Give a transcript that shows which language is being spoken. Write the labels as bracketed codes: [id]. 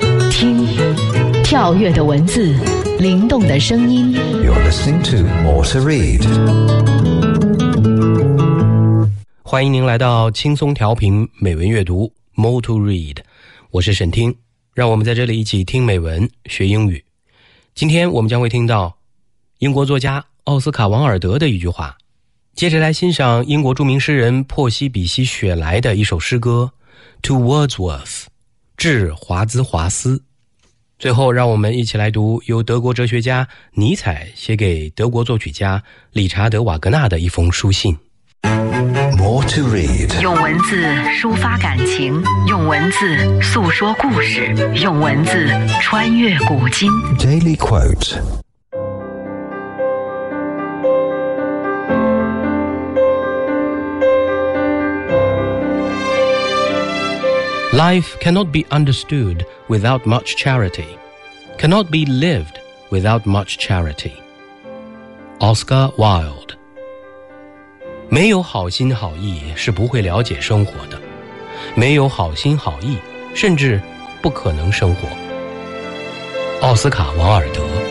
[zh] 听，跳跃的文字，灵动的声音。 [en] You're listening to More to Read. [zh] 欢迎您来到轻松调频美文阅读 More to Read， 我是沈听，让我们在这里一起听美文学英语。今天我们将会听到英国作家奥斯卡王尔德的一句话，接着来欣赏英国著名诗人珀西比西雪莱的一首诗歌 To Wordsworth， 致华兹华斯。最后让我们一起来读由德国哲学家尼采写给德国作曲家理查德瓦格纳的一封书信。 [en] More to read. [zh] 用文字抒发感情，用文字诉说故事，用文字穿越古今。 [en] Daily quote. Life cannot be understood without much charity. Cannot be lived without much charity. Oscar Wilde. [zh] 没有好心好意是不会了解生活的，没有好心好意甚至不可能生活。奥斯卡王尔德。